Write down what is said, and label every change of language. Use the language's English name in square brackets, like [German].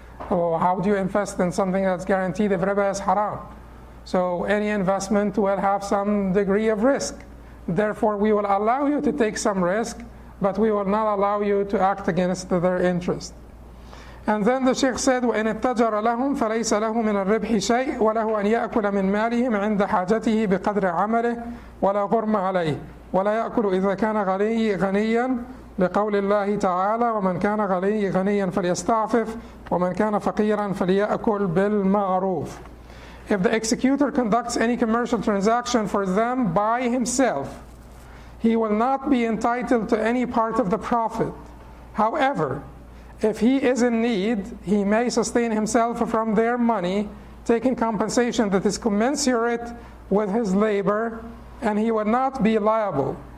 [English] Well, how do you invest in something that's guaranteed if riba is haram? So any investment will have some degree of risk. Therefore, we will allow you to take some risk, but we will not allow you to act against their interest. And then the Sheikh said, [Arabic] وَإِنْ اتَّجَرَ لَهُمْ فَلَيْسَ لَهُ مِنَ الرِّبْحِ شَيْءٍ وَلَهُ أَنْ يَأْكُلَ مِنْ مَالِهِمْ عِنْدَ حَاجَتِهِ بِقَدْرِ عَمَلِهِ وَلَا غُرْمَ عَلَيْهِ وَلَا يَأْكُلُ إِذَا كَانَ غَنِيًّا لِقَوْلِ اللَّهِ تَعَالَى وَمَنْ كَانَ غَنِيًّا فَلْيَسْتَعْفِفْ وَمَنْ كَانَ فَقِيرًا فَلْيَأْكُلْ بِالْمَعْرُوفِ. [English] If the executor conducts any commercial transaction for them by himself, he will not be entitled to any part of the profit. However, if he is in need, he may sustain himself from their money, taking compensation that is commensurate with his labor, and he would not be liable.